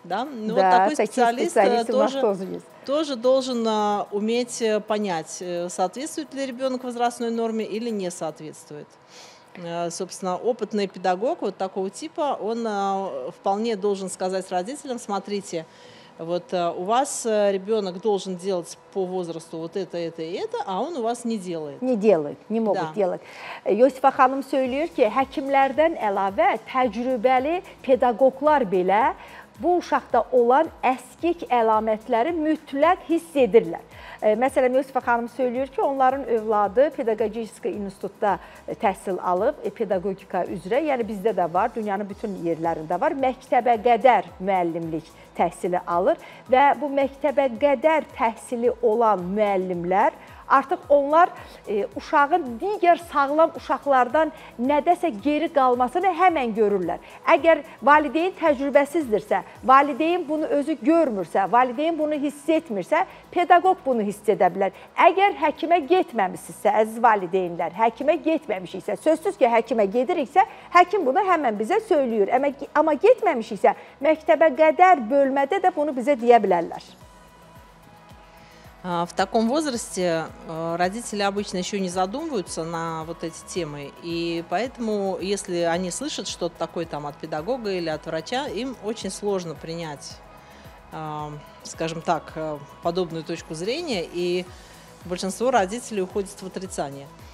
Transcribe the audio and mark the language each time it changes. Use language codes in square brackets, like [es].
[ru] Да, ну, вот такой специалист тоже должен уметь понять, соответствует ли ребенок возрастной норме или не соответствует. Собственно, опытный педагог вот такого типа, он вполне должен сказать родителям, смотрите... Вот у вас ребенок должен делать по возрасту вот это и это, а он у вас не делает. Не делает, не могут делать. [az] Йосифа ханым söylüyor ki, həkimlərdən əlavə təcrübəli pedagoglar belə bu uşaqda olan əskik əlamətləri mütləq hiss edirlər. Məsələn, Yosifa xanım söylüyor ki, onların övladı pedagogika institutda təhsil alıb, pedagogika üzrə, yəni bizdə də var, dünyanın bütün yerlərində var, məktəbə qədər müəllimlik təhsili alır və bu məktəbə qədər təhsili olan müəllimlər, artıq onlar uşağın digər sağlam uşaqlardan nədəsə geri qalmasını həmən görürlər. Əgər valideyn təcrübəsizdirsə, valideyn bunu özü görmürsə, valideyn bunu hiss etmirsə, pedagog bunu hiss edə bilər. Əgər həkimə getməmişsizsə, əziz valideynlər, həkimə getməmişiksə, sözsüz ki, həkimə gediriksə, həkim bunu həmən bizə söylüyür. Amma getməmişiksə, məktəbə qədər bölmədə də bunu bizə deyə bilərlər. [ru] В таком возрасте родители обычно еще не задумываются на вот эти темы, и поэтому, если они слышат что-то такое там от педагога или от врача, им очень сложно принять, скажем так, подобную точку зрения, и большинство родителей уходит в отрицание.